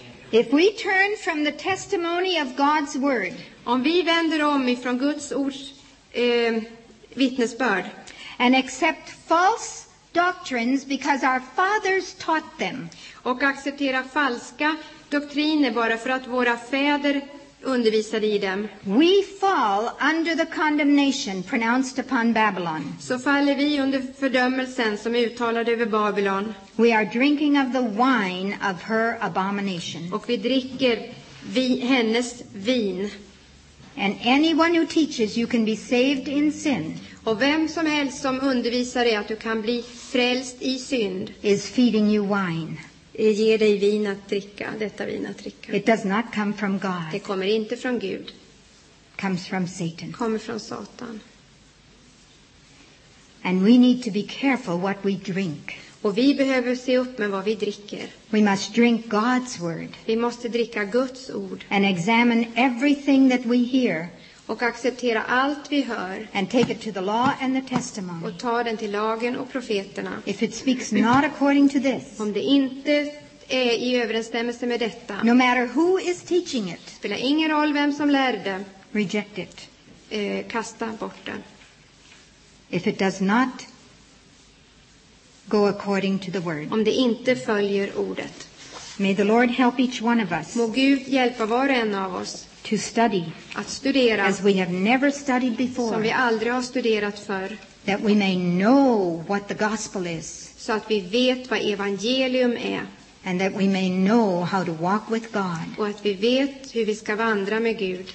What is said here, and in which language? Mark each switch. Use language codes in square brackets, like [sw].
[en] If we turn from the testimony of God's word. [sv] Om vi vänder om ifrån Guds ords vittnesbörd. [en] And accept false doctrines because our fathers taught them. [sv] Och acceptera falska doktriner bara för att våra fäder undervisade i dem. [en] We fall under the condemnation pronounced upon Babylon. [sv] Så faller vi under fördömelsen som uttalade över Babylon. [en] We are drinking of the wine of her abomination. [sv] Och vi dricker hennes vin. [en] And anyone who teaches you can be saved in sin. [sv] Och vem som helst som undervisar dig att du kan bli frälst i synd. [en] Is feeding you wine. [sv] Ger dig vin att dricka, detta vin att dricka. [en] It does not come from God. [sv] Det kommer inte från Gud. [en] Comes from Satan. [sv] Kommer från Satan. [en] And we need to be careful what we drink. [sv] Och vi behöver se upp med vad vi dricker. [en] We must drink God's word. [sv] Vi måste dricka Guds ord. [en] And examine everything that we hear. [sv] Och acceptera allt vi hör. [en] And take it to the law and the testimony. [sv] Och ta den till lagen och profeterna. [en] If it speaks not according to this. [sv] Om det inte är i överensstämmelse med detta. [en] No matter who is teaching it. [sv] Spelar ingen roll vem som lär det. [en] Reject it. [sv] Kasta bort den. [en] If it does not go according to the word. [sv] Om det inte följer ordet. [en] May the Lord help each one of us. [sv] Må Gud hjälpa var och en av oss. [en] To study. [sv] Att studera. [en] As we have never studied before. [sv] Som vi aldrig har studerat för. [en] That we may know what the gospel is. [sv] Så att vi vet vad evangelium är. [en] And that we may know how to walk with God. [sv] Och att vi vet hur vi ska vandra med Gud.